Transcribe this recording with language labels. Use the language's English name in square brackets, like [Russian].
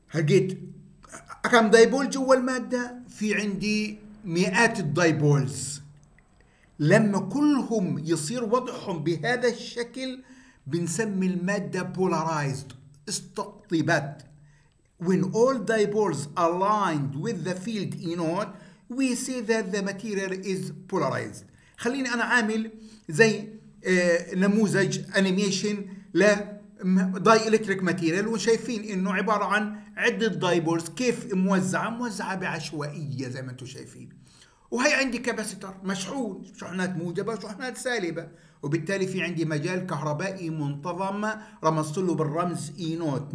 [Arabic] هلقيت كم دايبول جوا المادة؟ في عندي مئات الدايبولز. لما كلهم يصير وضعهم بهذا الشكل بنسمي المادة polarized، استقطبت. [English] When all dipoles aligned with the field E node we say that the material is polarized. [Arabic] خليني أنا عامل زي نموذج animation ل dielectric material، وشايفين إنه عبارة عن عدة دايبولز كيف موزعة، موزعة بعشوائية زي ما أنتوا شايفين. وهي عندي كاباسيتر مشحون، شحنات موجبة وشحنات سالبة، وبالتالي في عندي مجال كهربائي منتظم رمزت له بالرمز E نوت.